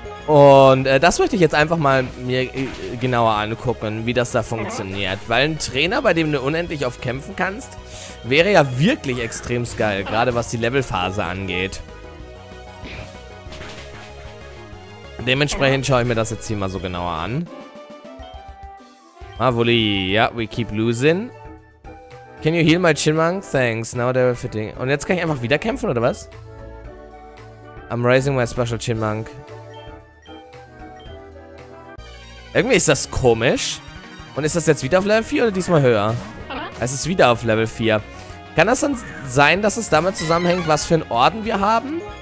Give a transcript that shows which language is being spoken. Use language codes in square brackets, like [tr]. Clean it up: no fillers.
[de] Und das möchte ich jetzt einfach mal mir genauer angucken, wie das da funktioniert. Weil ein Trainer, bei dem du unendlich oft kämpfen kannst, wäre ja wirklich extrem geil, gerade was die Levelphase angeht. Dementsprechend schaue ich mir das jetzt hier mal so genauer an. [en] Ah, Wuli, ja, we keep losing. Can you heal my Chimang? Thanks, now they're fitting. [de] Und jetzt kann ich einfach wieder kämpfen, oder was? [en] I'm raising my special Chimang. [de] Irgendwie ist das komisch. Und ist das jetzt wieder auf Level 4 oder diesmal höher? Es ist wieder auf Level 4. Kann das dann sein, dass es damit zusammenhängt, was für einen Orden wir haben?